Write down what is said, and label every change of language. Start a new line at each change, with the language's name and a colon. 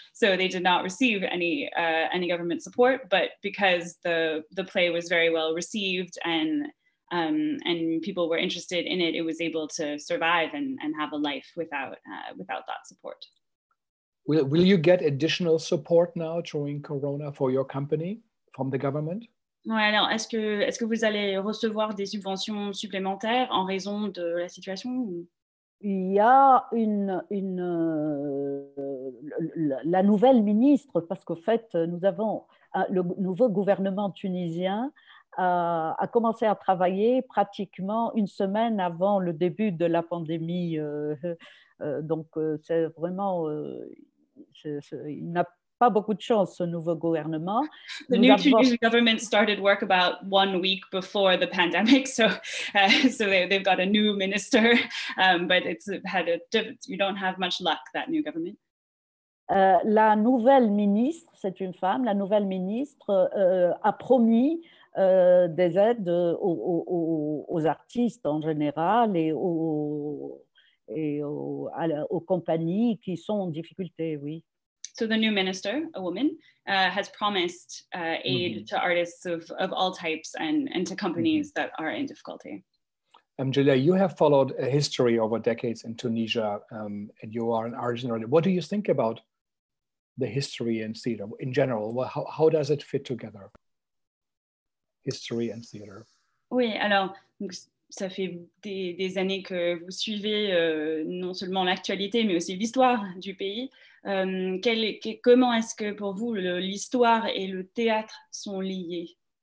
English: So they did not receive any government support, but because the play was very well received and people were interested in it, it was able to survive and have a life without that support. Will you get additional support now during Corona for your company from the government?
French: Ouais, alors est-ce que vous allez recevoir des subventions supplémentaires en raison de la situation? Il y a la nouvelle ministre, parce qu'au fait, nous avons le nouveau gouvernement tunisien a commencé à travailler pratiquement une semaine avant le début de la pandémie. Donc c'est vraiment il n'a pas beaucoup de chance, ce nouveau gouvernement.
English: The new Tunisian government started work about 1 week before the pandemic, so they've got a new minister, but it's had a difference. You don't have much luck, that new government.
French: La nouvelle ministre, c'est une femme, la nouvelle ministre a promis des aides aux artistes en général et aux compagnies qui sont en difficulté, oui.
English: So the new minister, a woman, has promised aid mm-hmm. to artists of all types and to companies mm-hmm. that are in difficulty. Julia, you have followed a history over decades in Tunisia, and you are an artist. What do you think about the history and theater in general? Well, how does it fit together, history and theater?
French: Oui, alors, ça fait des années que vous suivez non seulement l'actualité, mais aussi l'histoire du pays. Comment est-ce que pour vous l'histoire et le théâtre sont liés?